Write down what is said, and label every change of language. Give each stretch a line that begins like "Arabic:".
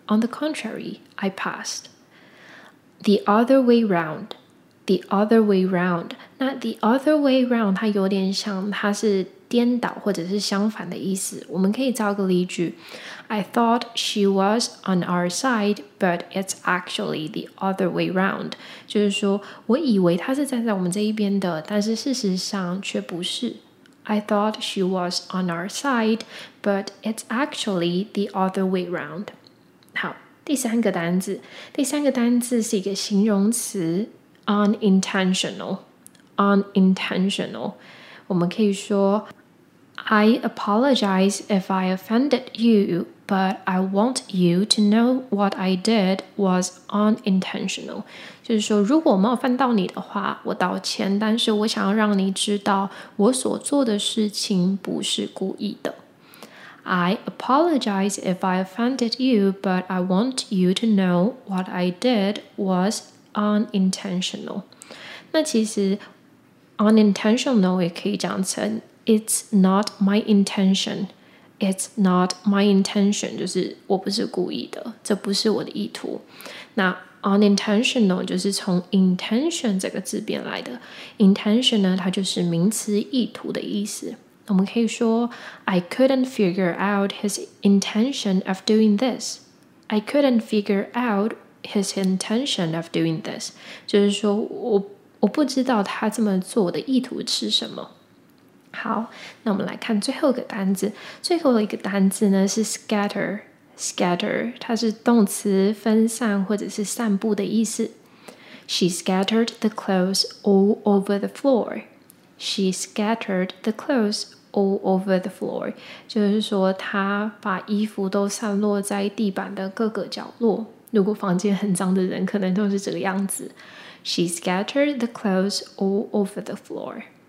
English: On the contrary, I passed. The other way round. The other way round.
Chinese: 那
English: the other way round
Chinese: 它有点像，它是颠倒或者是相反的意思。我们可以造个例句
English: I thought she was on our side, but it's actually the other way round.
Chinese: 就是说我以为她是站在我们这一边的，但是事实上却不是。
English: I thought she was on our side, but it's actually the other way round.
Chinese: 好，第三个单字，第三个单字是一个形容词 unintentional。
English: unintentional
Chinese: 我们可以说
English: I apologize if I offended you, but I want you to know what I did was unintentional.
Chinese: 就是说如果冒犯到你的话我道歉，但是我想要让你知道我所做的事情不是故意的。
English: I apologize if I offended you, but I want you to know what I did was unintentional.
Chinese: 那其实unintentional 也可以讲成
English: It's not my intention. It's not my intention.
Chinese: 就是我不是故意的，这不是我的意图。那 unintentional 就是从 intention 这个字变来的。 intention 呢，它就是名词意图的意思。我们可以说
English: I couldn't figure out his intention of doing this. I couldn't figure out his intention of doing this.
Chinese: 就是说我不知道他这么做的意图是什么。好，那我们来看最后一个单字，最后一个单字呢是 scatter。 scatter 它是动词，分散或者是散布的意思。
English: She scattered the clothes all over the floor. She scattered the clothes all over the floor.
Chinese: 就是说她把衣服都散落在地板的各个角落。如果房间很脏的人可能都是这个样子。
English: She scattered the clothes all over the floor.